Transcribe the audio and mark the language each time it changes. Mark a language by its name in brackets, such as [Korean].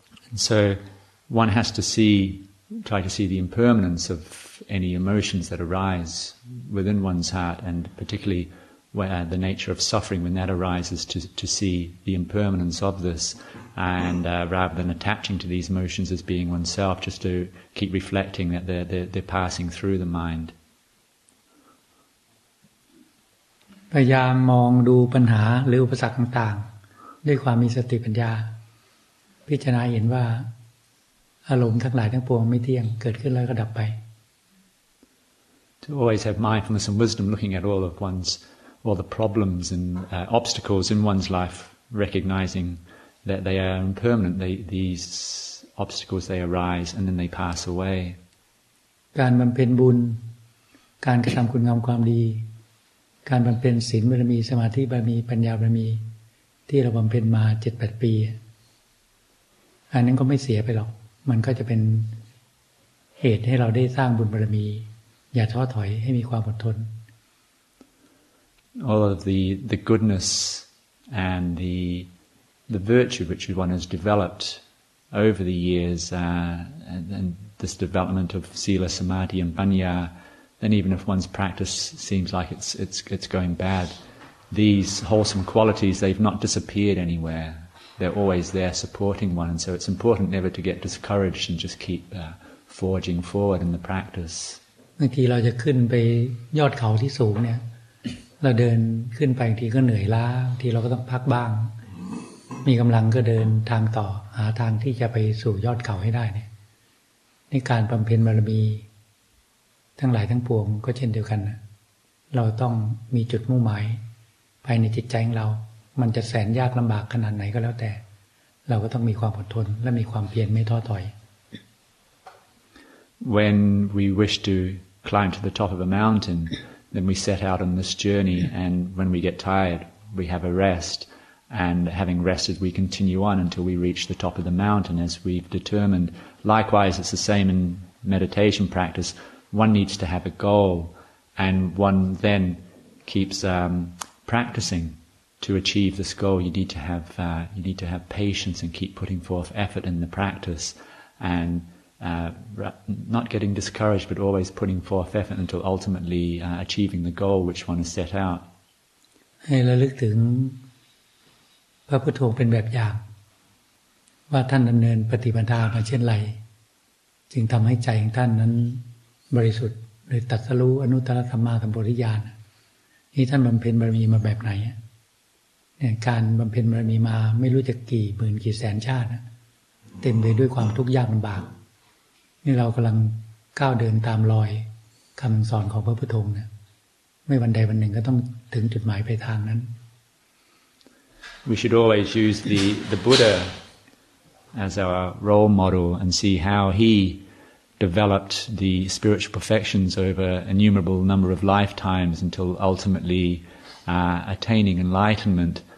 [English] And so one has to try to see the impermanence of any emotions that arise within one's heart, and particularly where the nature of suffering when that arises, to see the impermanence of this. And rather than attaching to these emotions as being oneself, just to keep reflecting that they're passing through the mind. [Thai] พยายามมองดูปัญหาหรืออุปสรรคต่างๆด้วยความมีสติปัญญาพิจารณาเห็นว่าอารมณ์ทั้งหลายทั้งปวงไม่เที่ยงเกิดขึ้นแล้วก็ดับไป [English] To always have mindfulness and wisdom, looking at all the problems and obstacles in one's life, recognizing. That they are impermanent. These obstacles they arise and then they pass away. [Thai] การบำเพ็ญบุญ การกระทำคุณงามความดี การบำเพ็ญศีลบารมี สมาธิบารมี ปัญญาบารมี ที่เราบำเพ็ญมา 7-8 ปี อันนั้นก็ไม่เสียไปหรอก มันก็จะเป็นเหตุให้เราได้สร้างบุญบารมี อย่าท้อถอย ให้มีความอดทน [English] All of the goodness and the virtue which one has developed over the years and this development of sila, samadhi and panya, then even if one's practice seems like it's going bad, these wholesome qualities, they've not disappeared anywhere. They're always there supporting one. And so it's important never to get discouraged and just keep forging forward in the practice. [Thai] บางทีเราจะขึ้นไปยอดเขาที่สูงเนี่ยเราเดินขึ้นไปบางทีก็เหนื่อยล้าบางทีเราก็ต้องพักบ้างมีกำลังก็เดินทางต่อหาทางที่จะไปสู่ยอดเขาให้ได้เนี่ยในการบำเพ็ญบารมีทั้งหลายทั้งปวงก็เช่นเดียวกันนะเราต้องมีจุดมุ่งหมายภายในจิตใจของเรามันจะแสนยากลำบากขนาดไหนก็แล้วแต่เราก็ต้องมีความอดทนและมีความเพียรไม่ท้อถอย [English] When we wish to climb to the top of a mountain then we set out on this journey and when we get tired we have a restAnd having rested, we continue on until we reach the top of the mountain, as we've determined. Likewise, it's the same in meditation practice. One needs to have a goal, and one then keeps practicing to achieve this goal. You need to have patience and keep putting forth effort in the practice, and not getting discouraged, but always putting forth effort until ultimately achieving the goal which one has set out. [Thai] Hey, ระลึกถึงพระพุทโธเป็นแบบอย่างว่าท่านดำเนินปฏิปทามาเช่นไรจึงทำให้ใจของท่านนั้นบริสุทธิ์หรือตัดสรู้อนุตตรธรรมาสัมโพธิญาณนี่ท่านบำเพ็ญบารมีมาแบบไหน เนี่ยการบำเพ็ญบารมีมาไม่รู้จักกี่หมื่นกี่แสนชาติเต็มไปด้วยความทุกข์ยากลำบากนี่เรากำลังก้าวเดินตามรอยคำสอนของพระพุทโธเนี่ยไม่วันใดวันหนึ่งก็ต้องถึงจุดหมายปลายทางนั้น [English] We should always use the Buddha as our role model and see how he developed the spiritual perfections over innumerable number of lifetimes until ultimately attaining enlightenment.